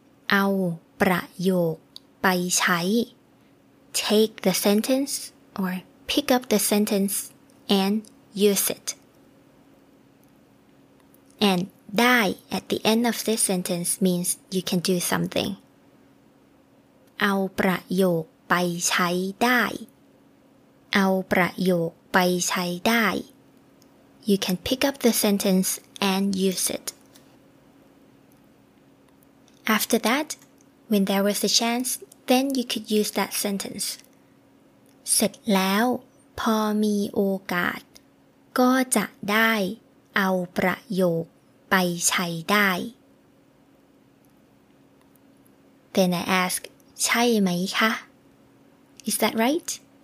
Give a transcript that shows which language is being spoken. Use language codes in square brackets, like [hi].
[th] เอาประโยคไปใช้ [en] take the sentence or pick up the sentence and use it and ได้ at the end of this sentence means you can do something [th] เอาประโยคไปใช้ได้เอาประโยคไปใช้ได้ [en] You can pick up the sentence and use it. After that, when there was a chance, then you could use that sentence. [th] เสร็จแล้วพอมีโอกาสก็จะได้เอาประโยคไปใช้ได้ [en] Then I ask, [th] ใช่ไหมคะ? [en] Is that right?